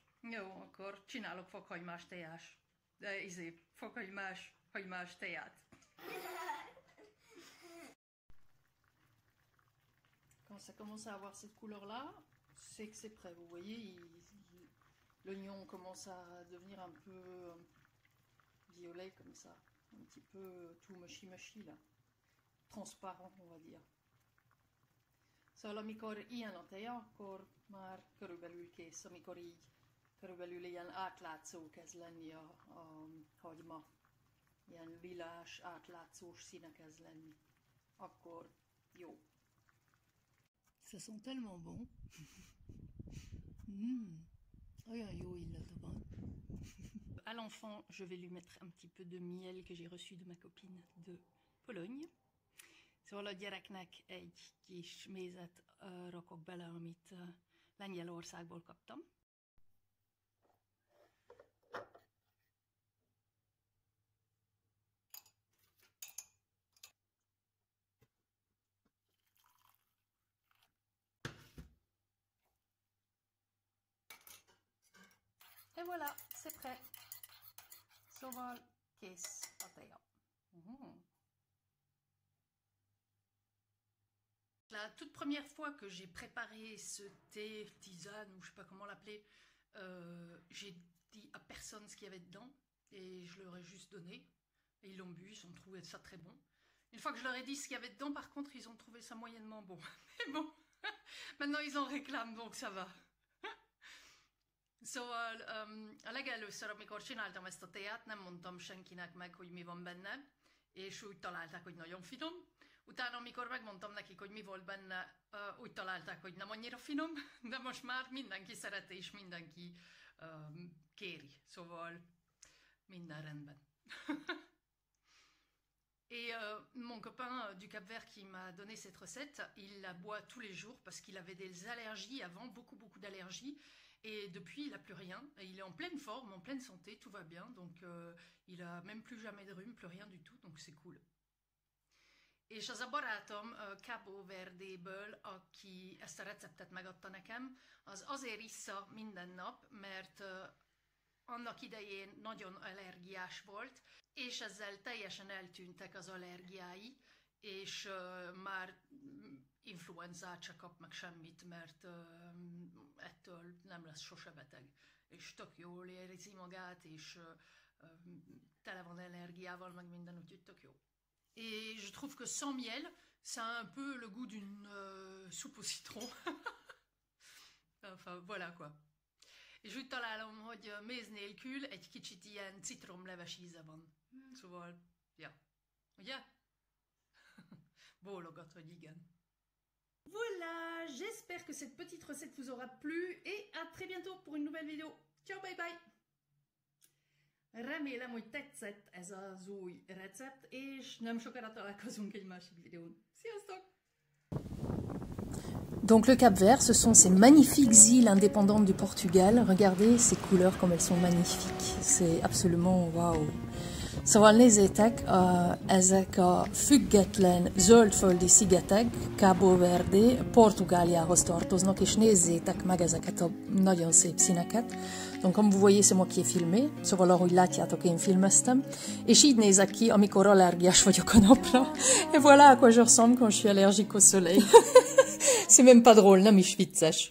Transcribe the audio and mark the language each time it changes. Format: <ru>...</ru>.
<hu>Jó, akkor csinálok fokhagymás tejás. De izé, fokhagymás, hagymás teját.</hu> <fr>Quand ça commence à avoir cette couleur-là, c'est que c'est prêt. Vous voyez, l'oignon commence à devenir un peu violet comme ça. un petit peu tout machi-machi là, transparent on va dire.</fr> <hu>Szóval amikor ilyen a teja, akkor már körülbelül kész, amikor így körülbelül ilyen átlátszó kezd lenni a hagyma, ilyen lilás, átlátszós színe kezd lenni, akkor jó.</hu> <fr>Ça sent tellement bon. Mm.</fr> <hu>Olyan jó illata van.</hu> <fr>À l'enfant, je vais lui mettre un petit peu de miel que j'ai reçu de ma copine de Pologne.</fr> <hu>Szóval a gyereknek egy kis mézet rakok bele, amit Lengyelországból kaptam.</hu> <fr>Et voilà, c'est prêt.</fr> <hu>Szóval kész a teja.</hu> <fr>La toute première fois que j'ai préparé ce thé, tisane, ou je sais pas comment l'appeler, j'ai dit à personne ce qu'il y avait dedans, et je leur ai juste donné, et ils l'ont bu, ils ont trouvé ça très bon. Une fois que je leur ai dit ce qu'il y avait dedans, par contre, ils ont trouvé ça moyennement bon. Mais bon, maintenant ils en réclament, donc ça va.</fr> <hu>Szóval, a legelőször, amikor csináltam ezt a teát, nem mondtam senkinek meg, hogy mi van benne, és úgy találták, hogy nagyon finom. Utána, amikor megmondtam nekik, hogy mi volt benne, úgy találták, hogy nem annyira finom, de most már mindenki szereti, és mindenki kéri. Szóval minden rendben.</hu> <fr>Et mon copain du Cap-Vert qui m'a donné cette recette, il la boit tous les jours parce qu'il avait des allergies avant, beaucoup beaucoup d'allergies, et depuis il n'a plus rien, et il est en pleine forme, en pleine santé, tout va bien, donc il n'a même plus jamais de rhume, plus rien du tout, donc c'est cool.</fr> <hu>És az a barátom Cabo Verdéből, aki ezt a receptet megadta nekem, az azért issza minden nap, mert annak idején nagyon allergiás volt, és ezzel teljesen eltűntek az allergiái, és már influenzát se kap meg semmit, mert ettől nem lesz sose beteg. És tök jól érzi magát, és tele van allergiával, meg minden, úgyhogy tök jó.</hu> <fr>Et je trouve que sans miel, ça a un peu le goût d'une soupe au citron. Enfin, voilà quoi.</fr> <hu>És úgy találom, hogy méz nélkül egy kicsit ilyen citromleves íze van. Mm. Szóval, ja. Ugye? Bólogat, hogy igen.</hu> <fr>Voilà, j'espère que cette petite recette vous aura plu et à très bientôt pour une nouvelle vidéo.</fr> <en>Ciao, bye bye!</en> <hu>Remélem, hogy tetszett ez az új recept, és nem sokára találkozunk egy másik videón. Sziasztok!</hu> <fr>Donc le Cap Vert, ce sont ces magnifiques îles indépendantes du Portugal. Regardez ces couleurs comme elles sont magnifiques. C'est absolument waouh.</fr> <hu>Szóval nézzétek, ezek a független zöldföldi szigetek Cabo Verde Portugáliához tartoznak, és nézzétek meg ezeket a nagyon szép színeket.</hu> <fr>Donc comme vous voyez, c'est moi qui ai filmé,</fr> <hu>szóval ahogy látjátok, én filmeztem, és így nézek ki, amikor allergiás vagyok a napra.</hu> <fr>Et voilà à quoi je ressemble quand je suis allergique au soleil. C'est même pas drôle,</fr> <hu>nem is vicces.</hu>